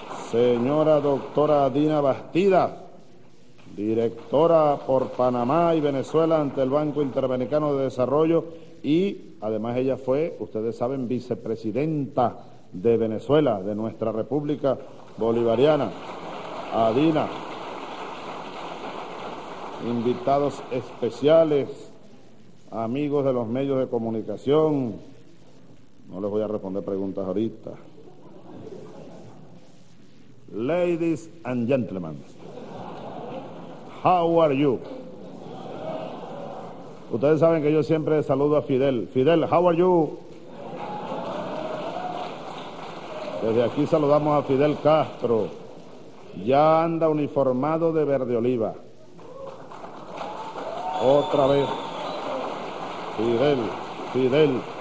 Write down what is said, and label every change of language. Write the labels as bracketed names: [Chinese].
[Spanish] Señora doctora Dina Bastida, directora por Panamá y Venezuela ante el Banco Interamericano de Desarrollo, y además ella fue, ustedes saben, vicepresidenta de Venezuela, de nuestra República Bolivariana. A Dina. Invitados especiales, amigos de los medios de comunicación. No les voy a responder preguntas ahorita. [English] Ladies and gentlemen, how are you? [Spanish] Ustedes saben que yo siempre saludo a Fidel. Fidel, [English] how are you? [Spanish] Desde aquí saludamos a Fidel Castro. Ya anda uniformado de verde oliva. Otra vez. Fidel, Fidel.